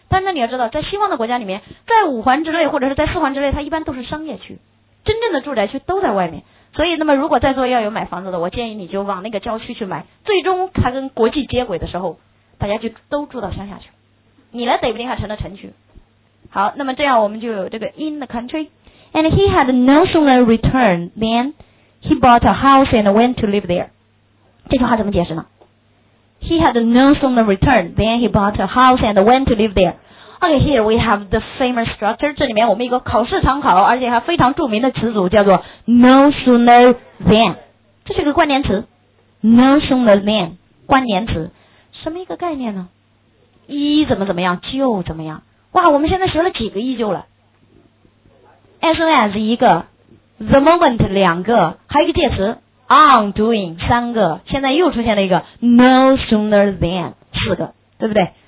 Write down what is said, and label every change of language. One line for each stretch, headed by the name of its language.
Chinese: 但那你要知道，在西方的国家里面，在五环之内或者是在四环之内，它一般都是商业区，真正的住宅区都在外面。所以那么如果在座要有买房子的，我建议你就往那个郊区去买，最终它跟国际接轨的时候，大家就都住到乡下去，你来北京还成了城区。好，那么这样我们就有这个
English: in the country。 And he had no sooner returned than he bought a house and went to live there。
Chinese: 这句话怎么解释呢？
English: He had no sooner returned than he bought a house and went to live there。 OK, here we have the famous structure.
Chinese: 这里面我们一个考试常考而且还非常著名的词组叫做 no sooner than。这是一个关联词， no sooner than， 关联词什么一个概念呢？一怎么怎么样就怎么样。哇，我们现在学了几个一就了， as soon as 一个， the moment 两个，还有一个介词 on doing 三个，现在又出现了一个 no sooner than 四个，对不对？